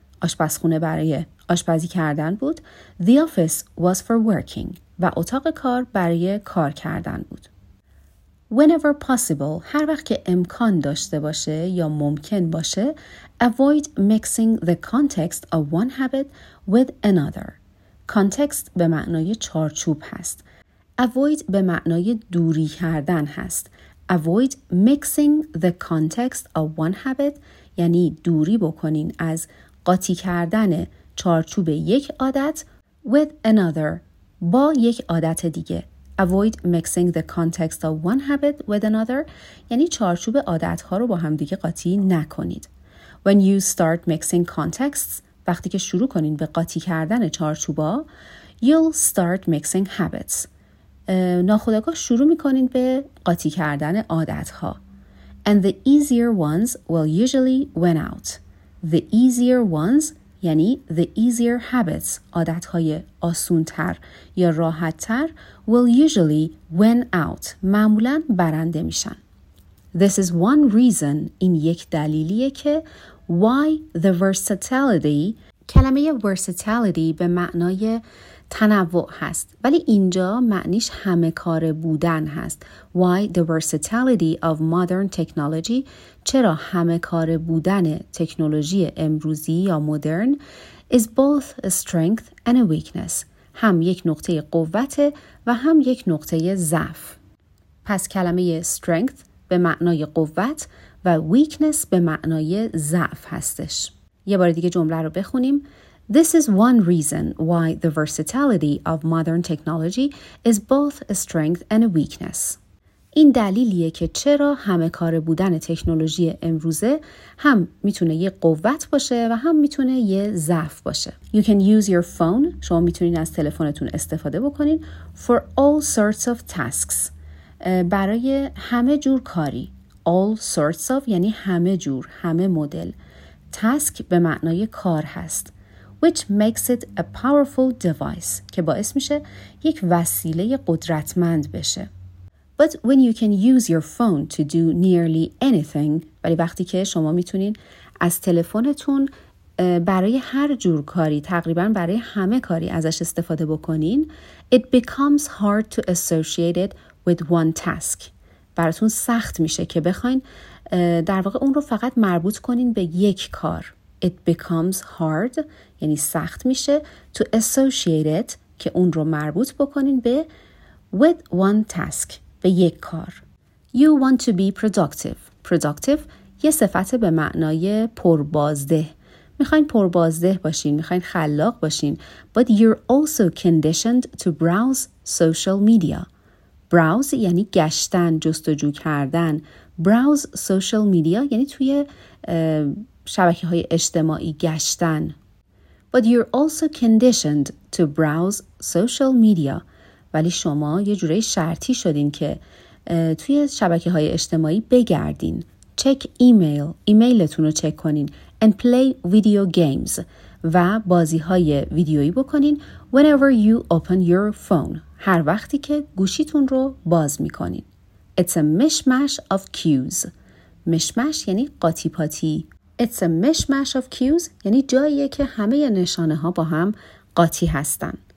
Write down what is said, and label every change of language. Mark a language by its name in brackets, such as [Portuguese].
[Persian] آشپزخونه برای آشپزی کردن بود. [English] The office was for working. [Persian] و اتاق کار برای کار کردن بود. [English] Whenever possible، [Persian] هر وقت که امکان داشته باشه یا ممکن باشه، [English] avoid mixing the context of one habit with another. [Persian] کانتکست به معنای چارچوب هست. Avoid به معنای دوری کردن هست. [English] Avoid mixing the context of one habit [Persian] یعنی دوری بکنین از قاطی کردن چارچوب یک عادت [English] with another [Persian] با یک عادت دیگه. [English] Avoid mixing the context of one habit with another [Persian] یعنی چارچوب عادتها رو با هم دیگه قاطی نکنید. [English] When you start mixing contexts، [Persian] وقتی که شروع کنین به قاطی کردن چارچوبا، [English] you'll start mixing habits. [Persian] ناخودآگاه شروع میکنین به قاطی کردن عادتها. [English] And the easier ones will usually win out. The easier ones یعنی the easier habits، [Persian] عادتهای آسونتر یا راحتتر، [English] will usually win out، [Persian] معمولا برنده میشن. [English] This is one reason، [Persian] این یک دلیلیه که [English] why the versatility، [Persian] کلمه versatility به معنای تنوع هست ولی اینجا معنیش همه کار بودن هست. [English] Why the versatility of modern technology، [Persian] چرا همه کار بودن تکنولوژی امروزی یا مدرن، [English] is both a strength and a weakness، [Persian] هم یک نقطه قوت و هم یک نقطه ضعف. پس کلمه strength به معنای قوت و weakness به معنای ضعف هستش. یه بار دیگه جمله رو بخونیم. [English] This is one reason why the versatility of modern technology is both a strength and a weakness. [Persian] این دلیلیه که چرا همه کار بودن تکنولوژی امروزه هم میتونه یه قوت باشه و هم میتونه یه ضعف باشه. [English] You can use your phone، [Persian] شما میتونین از تلفنتون استفاده بکنین، [English] for all sorts of tasks، [Persian] برای همه جور کاری. [English] All sorts of [Persian] یعنی همه جور، همه مدل. Task به معنای کار هست. [English] Which makes it a powerful device، [Persian] که باعث میشه یک وسیله قدرتمند بشه. [English] But when you can use your phone to do nearly anything، [Persian] ولی وقتی که شما میتونین از تلفنتون برای هر جور کاری، تقریبا برای همه کاری ازش استفاده بکنین، [English] it becomes hard to associate it with one task، [Persian] براتون سخت میشه که بخواین در واقع اون رو فقط مربوط کنین به یک کار. [English] It becomes hard [Persian] یعنی سخت میشه [English] to associate it [Persian] که اون رو مربوط بکنین به [English] with one task، [Persian] به یک کار. [English] You want to be productive. [Persian] Productive یه صفت به معنای پربازده. میخواین پربازده باشین، میخواین خلاق باشین. [English] But you're also conditioned to browse social media. [Persian] Browse یعنی گشتن، جستجو کردن. [English] Browse social media [Persian] یعنی توی شبکه‌های اجتماعی گشتن. [English] But you're also conditioned to browse social media. [Persian] ولی شما یه جوره شرطی شدین که توی شبکه‌های اجتماعی بگردین. [English] Check email، [Persian] ایمیلتون رو چک کنین. [English] And play video games، [Persian] و بازی‌های ویدیویی بکنین. [English] Whenever you open your phone، [Persian] هر وقتی که گوشیتون رو باز میکنین. [English] It's a mishmash of cues. [Persian] مشمش یعنی قاطی پاتی. [English] It's a mishmash of cues [Persian] یعنی جاییه که همه نشانه ها با هم قاطی هستن.